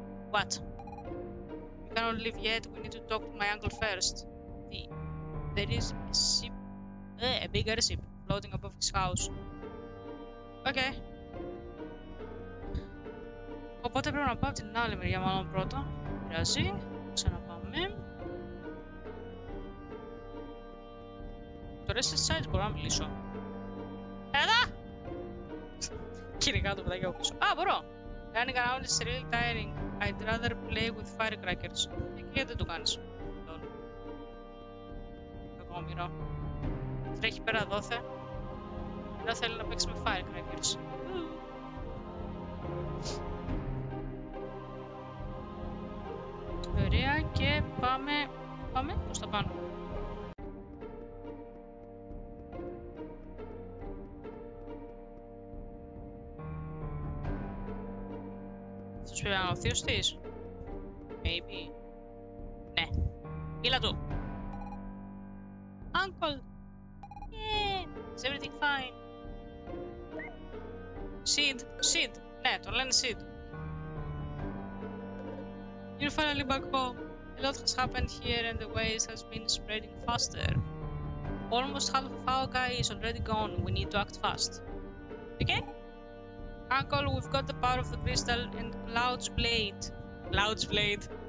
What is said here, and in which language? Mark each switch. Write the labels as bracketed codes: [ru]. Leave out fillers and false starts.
[en] What? I don't leave yet, we need to talk to my uncle first. There is a ship, a bigger ship, floating above his house. Okay. [el] Οπότε πρέπει να πάω την άλλη μεριά μάλλον πρώτα. Πειράζει, ξαναπάμε. Το rest side μπορώ να μιλήσω. Εδώ! Κυρικά το παιδάκι από πίσω. Α, μπορώ! [en] Running around is really tiring. I'd rather play with firecrackers. [el] Και δεν το κάνεις. Κακόμοιρο. Τρέχει πέρα δόθε. Ενώ θέλει να παίξει με firecrackers. Mm. Ωραία, και πάμε. Πάμε προς τα πάνω. Θα σου πει ο θείος της. Maybe. Ναι. Μίλα του. Uncle. [en] Yeah. Is everything fine? Sid. Sid. [el] Ναι, το λένε Sid. [en] You're finally back home. A lot has happened here and the waste has been spreading faster. Almost half of our guy is already gone. We need to act fast. Okay? Uncle, we've got the power of the crystal and Cloud's blade. Cloud's blade.